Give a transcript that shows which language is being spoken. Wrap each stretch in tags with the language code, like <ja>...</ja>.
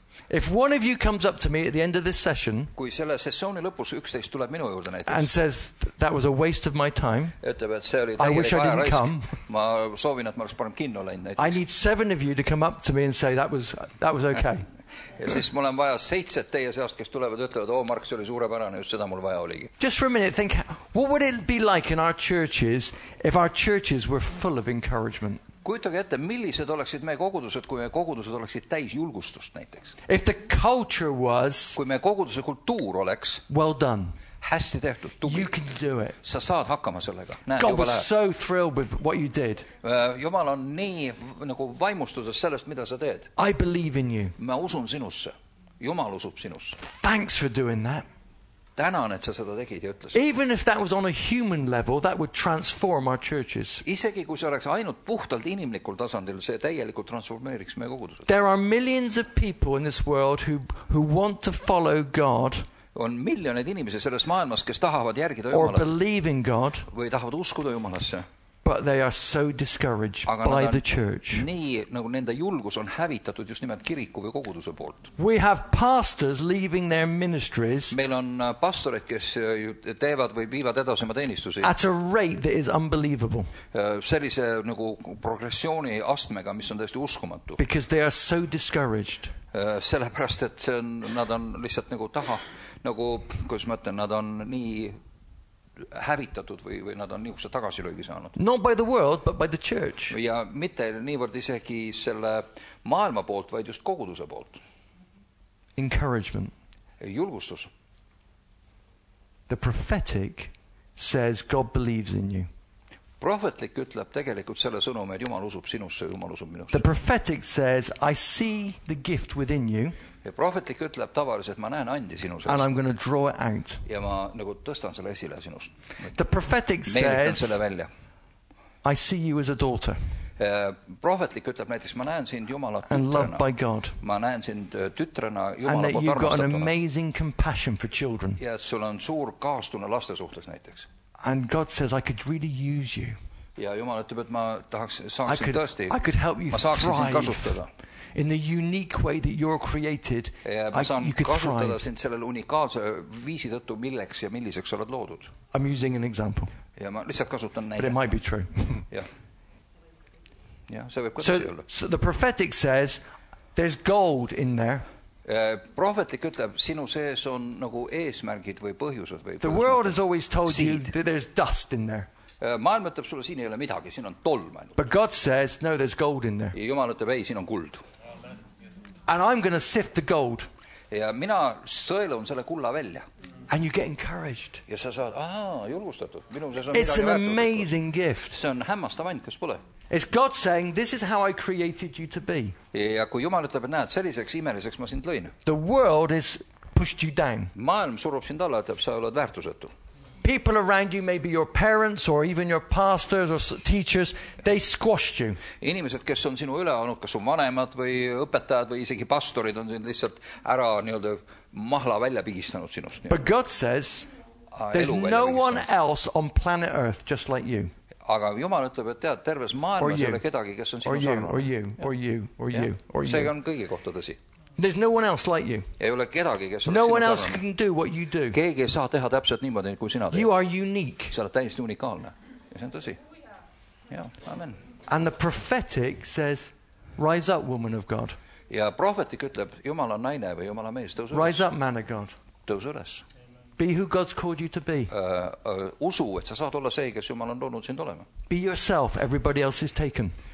<en>If one of you comes up to me at the end of this session,</en> <et>kui selle sessiooni lõpus üks teist tuleb minu juurde näiteks,</et> <en>and says that was a waste of my time,</en> <et>ütleb, et see oli täielik</et> <en>I wish I didn't come.</en> <et>Ma soovin, et ma oleks parem kinno läinud näiteks.</et> <en>I need 7 of you to come up to me and say that was okay.</en> <et>Ja siis ma olen vaja 7 teie seast, kes tulevad ütlevad, oh Mark, see oli suurepärane, just seda mul vaja oligi.</et> <en>Just for a minute, think, what would it be like in our churches if our churches were full of encouragement?</en> <et>Kujutage ette, millised oleksid meie kogudused, kui meie kogudused oleksid täis julgustust näiteks.</et> <en>If the culture was,</en> <et>kui meie koguduse kultuur oleks,</et> <en>well done.</en> <et>Hästi tehtud, tubli.</et> <en>You can do it.</en> <et>Sa saad hakkama sellega.</et> <en>God was so thrilled with what you did.</en> <et>Jumal on nii nagu vaimustuses sellest, mida sa teed.</et> <en>I believe in you.</en> <et>Ma usun sinusse. Jumal usub sinusse.</et> <en>Thanks for doing that.</en> <et>Tänan, et sa seda tegid ja ütles.</et> <en>Even if that was on a human level, that would transform our churches.</en> <et>Isegi kui see oleks ainult puhtalt inimlikul tasandil, see täielikult transformeeriks meie kogudused.</et> <en>There are millions of people in this world who want to follow God.</en> <et>On miljoneid inimesi selles maailmas, kes tahavad järgida Jumalat.</et> <en>Or believe in God.</en> <et>Või tahavad uskuda Jumalasse.</et> <en>But they are so discouraged</en> <et>Aga</et> <en>by the church.</en> <et>Nii, nagu nende julgus on hävitatud just nimelt kiriku või koguduse poolt.</et> <en>We have pastors leaving their ministries.</en> <et>Meil on pastoreid, kes teevad või viivad edasema teenistusi.</et> <en>At a rate that is unbelievable.</en> <et>Sellise nagu progressiooni astmega, mis on täiesti uskumatu.</et> <en>Because they are so discouraged.</en> <et>Sellepärast, et nad on lihtsalt nagu taha, nagu, kus ma ütlen, nad on nii hävitatud või nad on niisuguse tagasi löögi saanud.</et> <en>Not by the world, but by the church.</en> <et>Ja mitte niivõrd isegi selle maailma poolt, vaid just koguduse poolt.</et> <en>Encouragement.</en> <et>Julgustus.</et> <en>The prophetic says God believes in you.</en> <et>Prophetlik ütleb tegelikult selle sõnume, et Jumal usub sinusse, Jumal usub minusse.</et> <en>The prophetic says, I see the gift within you.</en> <et>Ja prophetlik ütleb tavaliselt, ma näen andi sinusse.</et> <en>And I'm going to draw it out.</en> <et>Ja ma nagu tõstan selle esile sinust.</et> <en>The prophetic says,</en> <et>selle välja.</et> <en>I see you as a daughter.</en> <et>Prophetlik ütleb näiteks, ma näen sind Jumala tütrana.</et> <en>And loved by God.</en> <et>Ma näen sind tütrana Jumala</et> <en>And that you've got an amazing compassion for children.</en> <et>Ja sul on suur kaastune laste suhtes näiteks.</et> <en>And God says, I could really use you.</en> <et>Ja Jumal ütleb, et ma saaksin tõesti.</et> <en>I could help you thrive. In the unique way that you're created, you could thrive.</en> <et>Ma saan kasutada sind sellel unikaalse viisi tõttu, milleks ja milliseks oled loodud.</et> <en>I'm using an example.</en> <et>Ja ma lihtsalt kasutan näide.</et> <en>But it might be true.</en> <et>Ja, see võib kõdasi olla.</et> <en>So the prophetic says, there's gold in there.</en> <et>Prophetlik ütleb, sinu sees on nagu eesmärgid või põhjused.</et> <en>The world has always told you that there's dust in there.</en> <et>Maailm ütleb sulle, siin ei ole midagi, siin on tolm ainult.</et> <en>But God says, no, there's gold in there.</en> <et>Ja Jumal ütleb, ei, siin on kuld.</et> <en>And I'm going to sift the gold.</en> <et>Ja mina sõelun selle kulla välja.</et> <en>And you get encouraged.</en> <et>Ja sa saad, aha, julgustatud. Minu sees on</et> <en>It's an amazing gift.</en> <et>See on hämmastav ainult, kas pole.</et> <en>It's God saying, this is how I created you to be.</en> <et>Ja kui Jumal ütleb, et näed, selliseks imeliseks ma sind lõin.</et> <en>The world is pushed you down.</en> <et>Maailm surub sind alla, ütleb, sa oled väärtusetu.</et> <en>People around you, maybe your parents or even your pastors or teachers, they squashed you.</en> <et>Inimesed, kes on sinu üle olnud, kas on vanemad või õpetajad või isegi pastorid, on sind lihtsalt ära nii-öelda mahla välja pigistanud sinust.</et> <en>But God says, there's no one else on planet Earth just like you.</en> <et>Aga Jumal ütleb, et tead, terves maailmas ei ole kedagi, kes on sinu sarnane.</et> <en>Or you.</en> <et>See on kõige kohta tõsi.</et> <en>There's no one else like you.</en> <et>Ei ole kedagi, kes</et> <en>no one else</en> <et>tarnane.</et> <en>Can do what you do.</en> <et>Keegi saa teha täpselt niimoodi, kui sina teed.</et> <en>You are unique.</en> <et>Sa oled täiesti unikaalne. Ja see on tõsi.</et> <en>Yeah, amen. And the prophetic says, rise up, woman of God.</en> <et>Ja</et> <en>prophetic</en> <et>ütleb, Jumala naine või Jumala mees, tõus üles.</et> <en>Rise up, man of God.</en> <et>Tõus üles.</et> <en>Be who God's called you to be.</en> <et>Usu, et sa saad olla see, kes Jumal on loonud sind olema.</et> <en>Be yourself, everybody else is taken.</en>